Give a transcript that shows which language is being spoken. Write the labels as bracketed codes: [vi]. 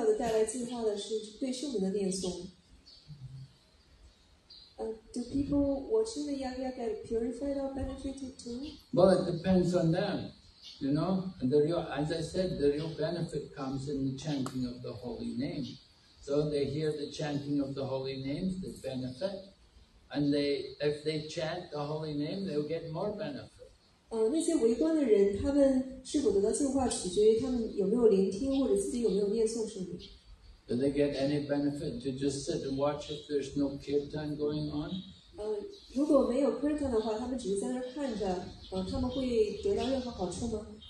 [zh] 外在呢，大家可能很喜欢看到这个火祭的场面，所以我们做了这样一个布置。但是最重要的带来净化的是对圣名的念诵。 [en] Do people watching the yagya get purified or benefited too? Well, it depends on them, you know. And the real, as I said, the real benefit comes in the chanting of the holy name. So they hear the chanting of the holy names, the benefit, and they, if they chant the holy name, they'll get more benefit. [zh] 那些围观的人，他们是否得到净化，取决于他们有没有聆听，或者自己有没有念诵圣名。 [en] Do they get any benefit to just sit and watch if there's no kirtan going on? [zh] 如果没有 kirtan 的话，他们只是在那看着，他们会得到任何好处吗？